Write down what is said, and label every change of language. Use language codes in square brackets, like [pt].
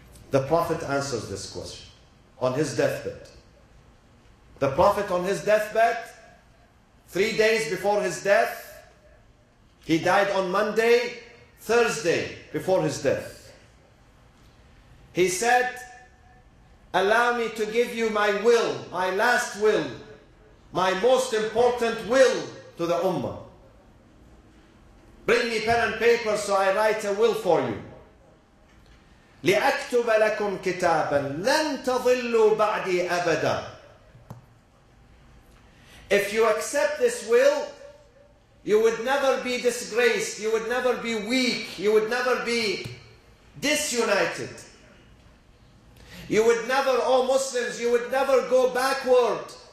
[en] The Prophet answers this question on his deathbed. The Prophet on his deathbed, 3 days before his death, he died on Monday, Thursday before his death. He said, allow me to give you my will, my last will, my most important will to the Ummah. Bring me pen and paper so I write a will for you. [ar] لأكتب لكم كتابا لن تضلوا بعدي أبدا. [en] If you accept this will, you would never be disgraced, you would never be weak, you would never be disunited. You would never, oh Muslims, you would never go backward.